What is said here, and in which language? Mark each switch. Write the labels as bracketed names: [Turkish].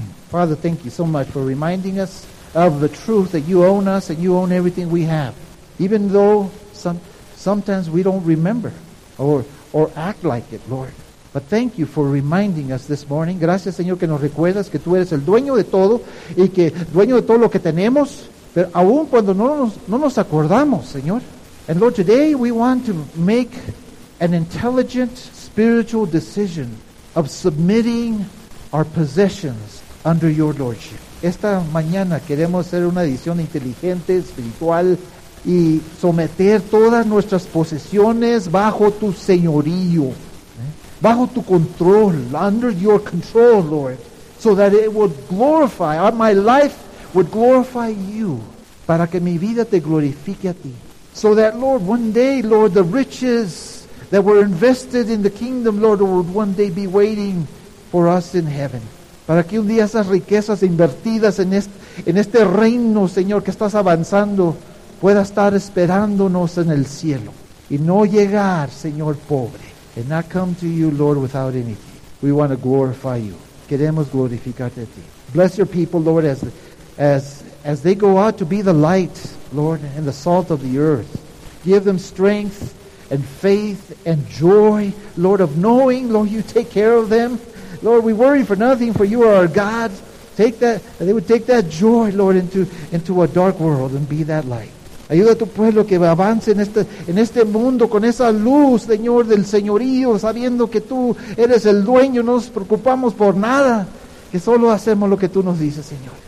[English] Father, thank you so much for reminding us of the truth that you own us and you own everything we have. Even though sometimes we don't remember or act like it, Lord. But thank you for reminding us this morning. [Spanish] Gracias, Señor, que nos recuerdas que tú eres el dueño de todo y que dueño de todo lo que tenemos. Pero aún cuando no nos acordamos, Señor. [English] And Lord, today we want to make an intelligent spiritual decision of submitting our possessions under your Lordship. [Spanish] Esta mañana queremos hacer una decisión inteligente, espiritual, y someter todas nuestras posesiones bajo tu señorío, bajo tu control, [English] under your control, Lord, so that it would glorify, my life would glorify you, [Spanish] para que mi vida te glorifique a ti. [English] So that, Lord, one day, Lord, the riches that were invested in the kingdom, Lord, would one day be waiting for us in heaven. [Spanish] Para que un día esas riquezas invertidas en este reino, Señor, que estás avanzando, pueda estar esperándonos en el cielo. Y no llegar, Señor, pobre. [English] And not come to you, Lord, without anything. We want to glorify you. [Spanish] Queremos glorificarte a ti. [English] Bless your people, Lord, as they go out to be the light, Lord, and the salt of the earth. Give them strength and faith and joy, Lord, of knowing, Lord, you take care of them. Lord, we worry for nothing, for you are our God. Take that, they would take that joy, Lord, into a dark world and be that light. [Spanish] Ayuda a tu pueblo que avance en este mundo con esa luz, Señor, del Señorío, sabiendo que tú eres el dueño, no nos preocupamos por nada, que solo hacemos lo que tú nos dices, Señor.